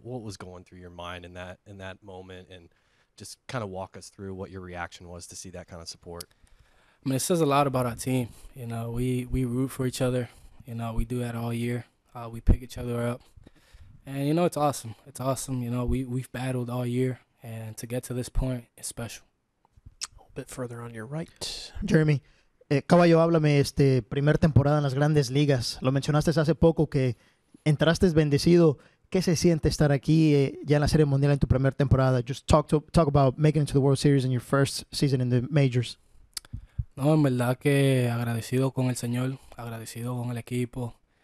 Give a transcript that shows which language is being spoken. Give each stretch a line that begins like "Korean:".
English: What was going through your mind in that moment? And just kind of walk us through what your reaction was to see that kind of support. I mean, it says a lot about our team. You know, we root for each other. You know, we do that all year. We pick each other up. And, you know, it's awesome. It's awesome. You know, we've battled all year. And to get to this point is special. A bit further on your right. Jeremy.
Spanish: Caballo, háblame, primer temporada en las grandes ligas. Lo mencionaste hace poco que entraste bendecido. ¿Qué se siente estar aquí ya en la Serie Mundial en tu primer temporada?
English: Just talk about making it to the World Series in your first season in the majors.
Spanish: No, en verdad que agradecido con el Señor, agradecido con el equipo.